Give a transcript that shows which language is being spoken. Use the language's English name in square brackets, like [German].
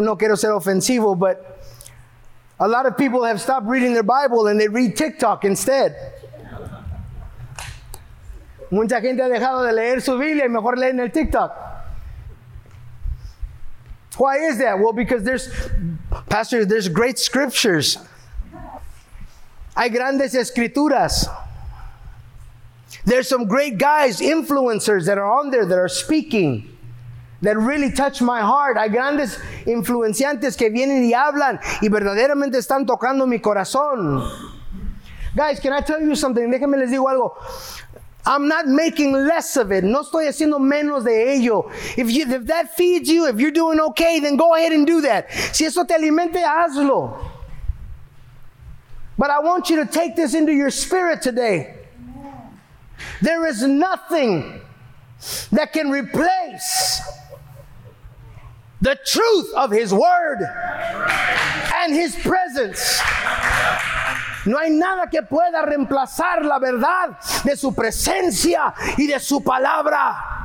[Spanish] No quiero ser ofensivo, [English] but a lot of people have stopped reading their Bible and they read TikTok instead. [Spanish] Mucha gente ha dejado de leer su Biblia y mejor leen el TikTok. [English] Why is that? Well, because there's, Pastor, there's great scriptures. [Spanish] Hay grandes escrituras. [English] There's some great guys, influencers that are on there that are speaking that really touch my heart. [Spanish] Hay grandes influenciantes que vienen y hablan y verdaderamente están tocando mi corazón. [English] Guys, can I tell you something? [Spanish] Déjenme les digo algo. [English] I'm not making less of it. [Spanish] No estoy haciendo menos de ello. [English] If that feeds you, if you're doing okay, then go ahead and do that. [Spanish] Si eso te alimenta, hazlo. [English] But I want you to take this into your spirit today. There is nothing that can replace the truth of His Word and His presence. [Spanish] No hay nada que pueda reemplazar la verdad de su presencia y de su palabra.